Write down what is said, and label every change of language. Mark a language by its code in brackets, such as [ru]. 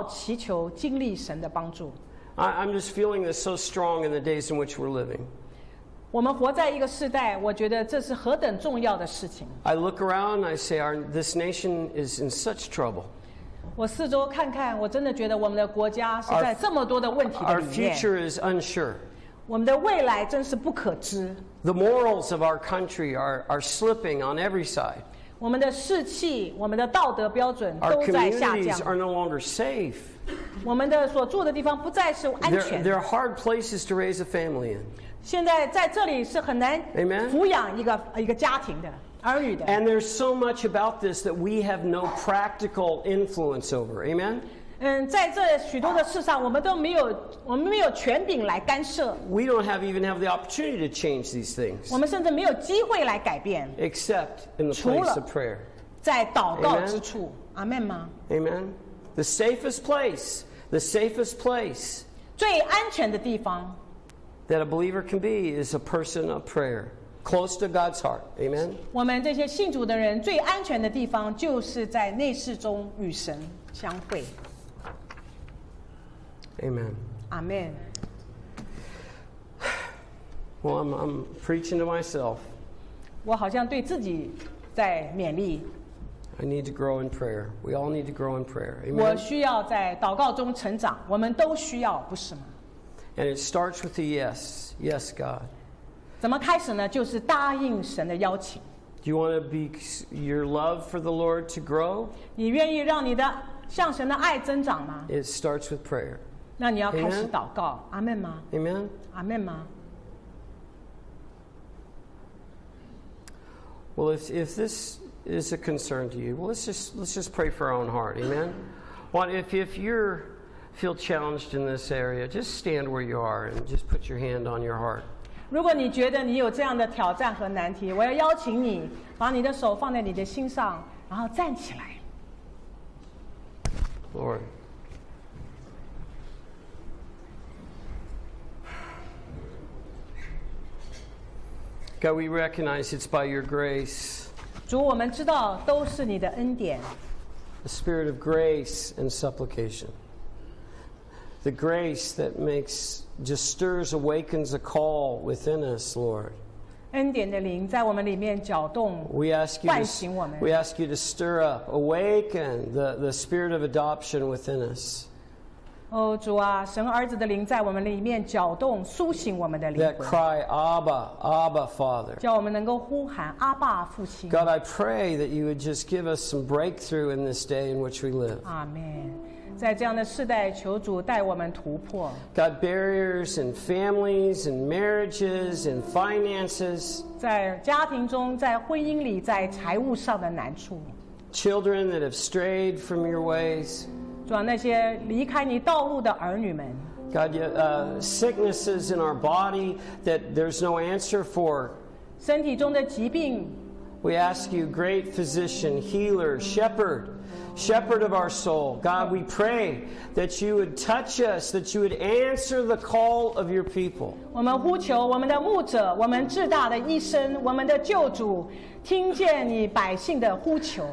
[zh] 因为你还没有借着每一天祷告祈求经历神的帮助。 [en] I'm just feeling this so strong in the days in which we're living. [zh] 我们活在一个世代，我觉得这是何等重要的事情。 [en] I look around and I say, this nation is in such trouble. [zh] 我四周看看，我真的觉得我们的国家是在这么多的问题里面。 [en] Our future is unsure. [zh] 我们的未来真是不可知。 [en] The morals of our country are slipping on every side. [zh] 我们的士气，我们的道德标准都在下降。 [en] Our communities are no longer safe. [zh] 我们的所住的地方不再是安全。 [en] They're hard places to raise a family in. [zh] 现在在这里是很难抚养一个家庭的儿女的。 [en] And there's so much about this that we have no practical influence over. Amen. [zh] 在这许多的事上，我们没有权柄来干涉。 [en] We don't even have the opportunity to change these things. [zh] 我们甚至没有机会来改变。 [en] Except in the place of prayer. [zh] 在祷告之处。Amen 吗？ [en] Amen. The safest place. The safest place. [zh] 最安全的地方。 [en] That a believer can be is a person of prayer, close to God's heart. Amen. [zh] 我们这些信主的人最安全的地方，就是在内室中与神相会。 [en] Amen. Amen. Well, I'm preaching to myself. [zh] 我好像对自己在勉励。 [en] I need to grow in prayer. We all need to grow in prayer. Amen. [zh] 我需要在祷告中成长，我们都需要，不是吗？ [en] And it starts with a yes, yes, God. [zh] 怎么开始呢？就是答应神的邀请。 [en] Do you want to be your love for the Lord to grow? [zh] 你愿意让你的向神的爱增长吗 [en] ？It starts with prayer. [zh] 那你要开始祷告，阿门吗 [en] ？Amen. [zh] 阿门吗 [en] ？Well, if this is a concern to you, well, let's just pray for our own heart, amen. What if you're feel challenged in this area, just stand where you are and just put your hand on your heart. [zh] 如果你觉得你有这样的挑战和难题，我要邀请你把你的手放在你的心上，然后站起来。 [en] Lord, God, we recognize it's by your grace. [zh] 主，我们知道都是你的恩典。 [en] The spirit of grace and supplication. The grace that makes just stirs awakens a call within us, Lord. [zh] 恩典的灵在我们里面搅动，唤醒我们。 [en] We ask you to stir up, awaken the spirit of adoption within us. [zh] 哦，主啊，神儿子的灵在我们里面搅动，苏醒我们的灵魂。 [en] That cry, Abba, Abba, Father. [zh] 叫我们能够呼喊阿爸父亲。 [en] God, I pray that you would just give us some breakthrough in this day in which we live. Amen. [zh] 在这样的世代，求主带我们突破。 [en] God, barriers in families and marriages and finances. [zh] 在家庭中，在婚姻里，在财务上的难处。 [en] Children that have strayed from your ways. [zh] 主啊，那些离开你道路的儿女们。 [en] God, sicknesses in our body that there's no answer for. [zh] 身体中的疾病。 [en] We ask you, great physician, healer, shepherd. Shepherd of our soul, God, we pray that you would touch us, that you would answer the call of your people. [zh] 我们呼求我们的牧者，我们至大的医生，我们的救主，听见你百姓的呼求。